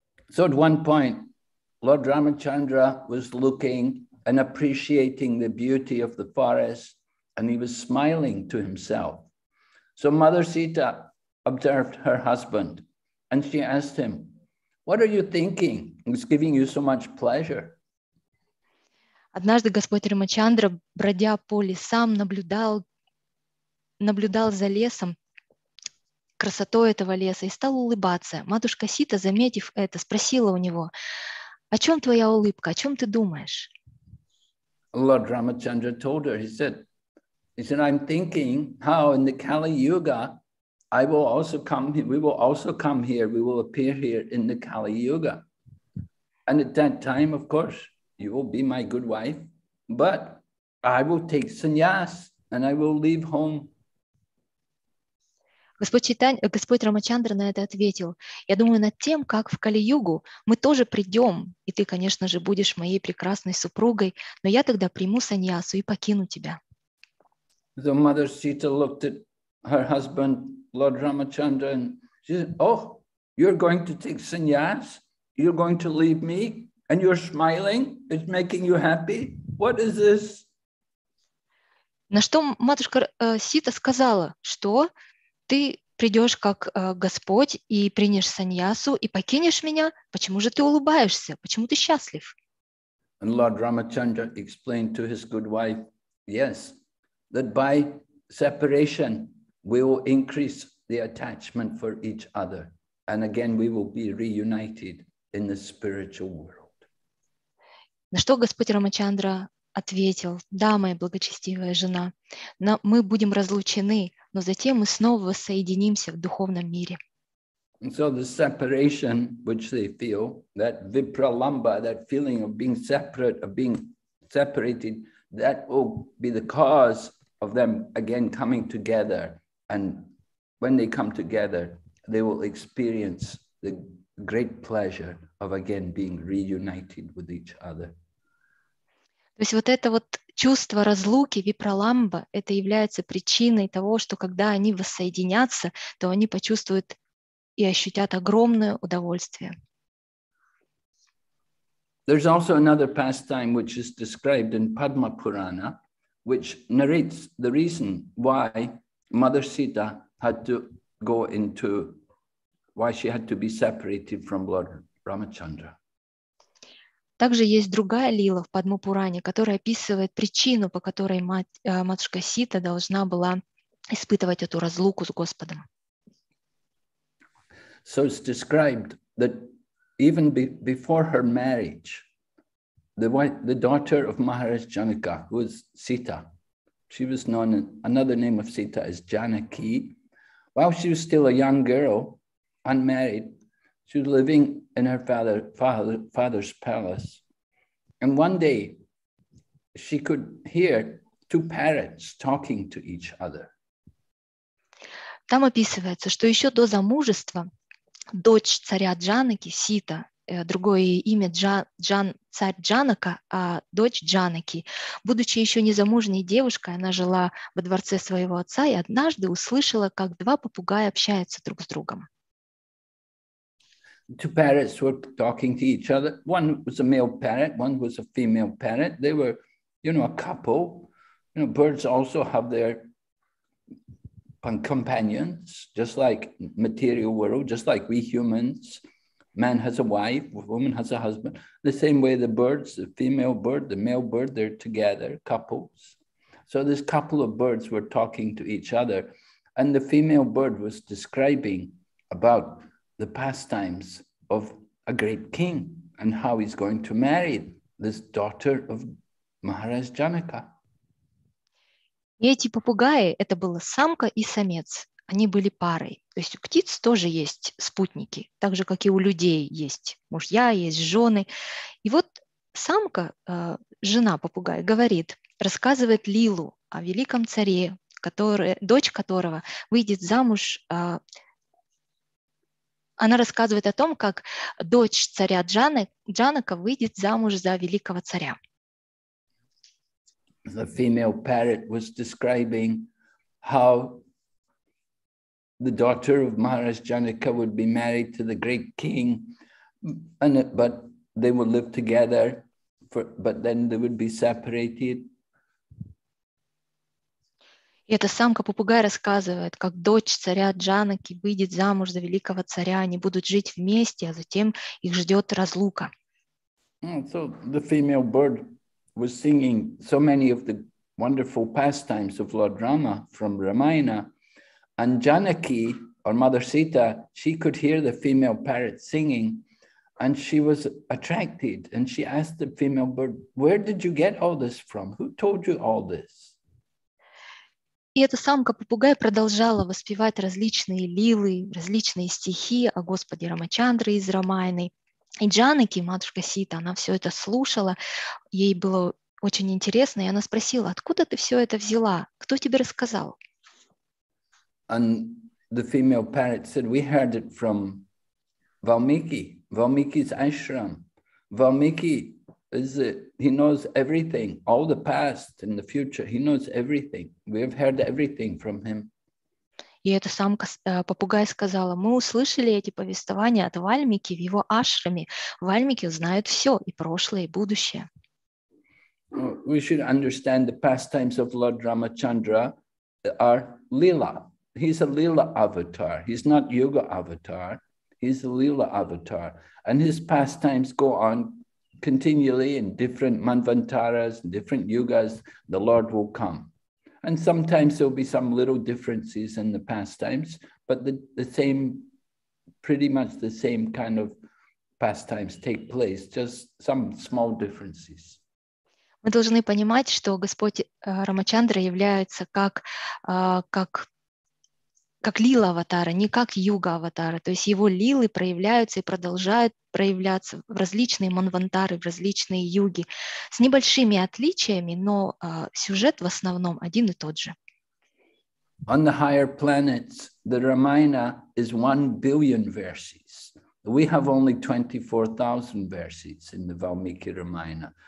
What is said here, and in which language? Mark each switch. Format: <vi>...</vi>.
<en>So at one point, Lord Ramachandra was looking and appreciating the beauty of the forest, and he was smiling to himself. So Mother Sita observed her husband, and she asked him, "What are you thinking? It's giving you so much pleasure."</en> <ru>Однажды Господь Рамачандра, бродя по лесам, наблюдал за лесом, красотой этого леса, и стал улыбаться. Матушка Сита, заметив это, спросила у него: «О чем твоя улыбка? О чем ты думаешь?»</ru> <en>Lord Ramachandra told her, he said, I'm thinking how in the Kali Yuga, we will also come here, we will appear here in the Kali Yuga. And at that time, of course, you will be my good wife, but I will take sannyas and I will leave home.</en> <ru>Господь Рамачандра на это ответил: «Я думаю над тем, как в Кали-югу мы тоже придем, и ты, конечно же, будешь моей прекрасной супругой, но я тогда приму саньясу и покину тебя».</ru> <en>The mother Sita looked at her husband, Lord Ramachandra, and she said, «Oh, you're going to take sannyas? You're going to leave me? And you're smiling? It's making you happy? What is this?»</en> <ru>На что матушка Сита сказала: «Что? Ты придешь как Господь и принешь саньясу и покинешь меня? Почему же ты улыбаешься? Почему ты счастлив?»</ru> <en>And Lord Ramachandra explained to his good wife, yes, that by separation we will increase the attachment for each other, and again we will be reunited in the spiritual world.</en> <ru>На что Господь Рамачандра ответил: «Да, моя благочестивая жена, но мы будем разлучены, но затем мы снова воссоединимся в духовном мире».</ru> <en>And so the separation, which they feel, that vipralamba, that feeling of being separate, of being separated, that will be the cause of them again coming together. And when they come together, they will experience the great pleasure of again being reunited with each other.</en> <ru>То есть вот это вот чувство разлуки, випраламба, это является причиной того, что когда они воссоединятся, то они почувствуют и ощутят огромное удовольствие.</ru> <en>There's also another pastime, which is described in Padma Purana, which narrates the reason why Mother Sita had to go into, why she had to be separated from Lord Ramachandra.</en> <ru>Также есть другая лила в Падмапуране, которая описывает причину, по которой матушка Сита должна была испытывать эту разлуку с Господом.</ru> <en>So it's described that even before her marriage, the daughter of Maharaj Janaka, who is Sita, she was known, another name of Sita is Janaki. While she was still a young girl, unmarried, she was living in her father's palace. And one day she could hear two parrots talking to each other.</en> <ru>Там описывается, что еще до замужества дочь царя Джанаки, Сита, другое имя царь Джанака, а дочь Джанаки, будучи еще незамужней девушкой, она жила во дворце своего отца и однажды услышала, как два попугая общаются друг с другом.</ru> <en>Two parrots were talking to each other. One was a male parrot, one was a female parrot. They were, you know, a couple. You know, birds also have their companions, just like material world, just like we humans. Man has a wife, woman has a husband. The same way the birds, the female bird, the male bird, they're together, couples. So this couple of birds were talking to each other, and the female bird was describing about the pastimes of a great king and how he's going to marry this daughter of Maharaj Janaka.</en> <ru>Эти попугаи, это была самка и самец. Они были парой. То есть у птиц тоже есть спутники, так же, как и у людей есть мужья, есть жены. И вот самка, жена попугая, говорит, рассказывает лилу о великом царе, дочь которого выйдет замуж. Она рассказывает о том, как дочь царя Джанака выйдет замуж за великого царя.</ru> <en>The female parrot was describing how the daughter of Maharaj Janaka would be married to the great king, but they would live together, but then they would be separated.</en> <ru>И эта самка-попугай рассказывает, как дочь царя Джанаки выйдет замуж за великого царя, они будут жить вместе, а затем их ждет разлука.</ru> <en>So the female bird was singing so many of the wonderful pastimes of Lord Rama from Ramayana, and Janaki, or Mother Sita, she could hear the female parrot singing, and she was attracted, and she asked the female bird, where did you get all this from? Who told you all this?</en> <ru>И эта самка-попугай продолжала воспевать различные лилы, различные стихи о Господе Рамачандре из Рамайны. И Джанаки, матушка Сита, она все это слушала, ей было очень интересно, и она спросила, откуда ты все это взяла? Кто тебе рассказал?</ru> <en>And the female parrot said, we heard it from Valmiki, Valmiki's ashram. Valmiki, is it, he knows everything, all the past and the future, he knows everything. We have heard everything from him.</en> <ru>И эта самка, попугай сказала, мы услышали эти повествования от Вальмики в его ашраме. Вальмики знают все, и прошлое, и будущее.</ru> <en>We should understand the pastimes of Lord Ramachandra are Lila. He's a Lila avatar. He's not Yuga avatar. He's a Lila avatar. And his pastimes go on continually in different manvantaras, different yugas, the Lord will come. And sometimes there'll be some little differences in the pastimes, but the same, pretty much the same kind of pastimes take place, just some small differences.</en> <ru>Мы должны понимать, что Господь Рамачандра является как лила аватара, не как юга аватара. То есть его лилы проявляются и продолжают проявляться в различные манвантары, в различные юги. С небольшими отличиями, но сюжет в основном один и тот же.</ru> <en>On the higher planets, the Ramayana is 1 billion verses. We have only 24,000 verses in the Valmiki Ramayana.</en>